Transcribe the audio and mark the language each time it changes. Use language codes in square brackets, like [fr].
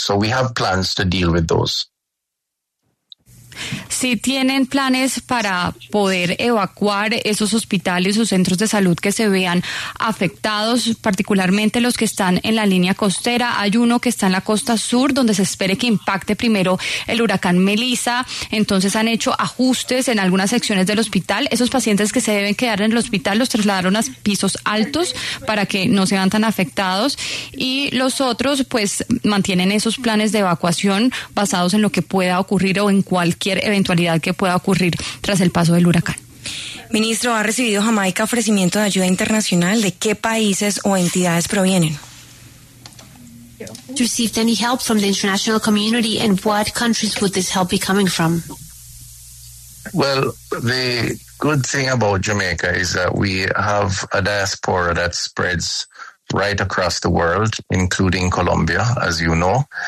[en] So we have plans to deal with those. [es] Si tienen planes para poder evacuar esos hospitales o centros de salud que se vean afectados, particularmente los que están en la línea costera. Hay uno que está en la costa sur, donde se espere que impacte primero el huracán Melissa. Entonces han hecho ajustes en algunas secciones del hospital. Esos pacientes que se deben quedar en el hospital los trasladaron a pisos altos para que no se vean tan afectados. Y los otros, pues, mantienen esos planes de evacuación basados en lo que pueda ocurrir o en cualquier eventualidad que pueda ocurrir tras el paso del huracán. Ministro, ¿ha recibido Jamaica ofrecimiento de ayuda internacional? ¿De qué países o entidades provienen? [en] ¿Received any help from the international community, and what countries would this help be coming from? Well, the good thing about Jamaica is that we have a diaspora that spreads right across the world, including Colombia, as you know.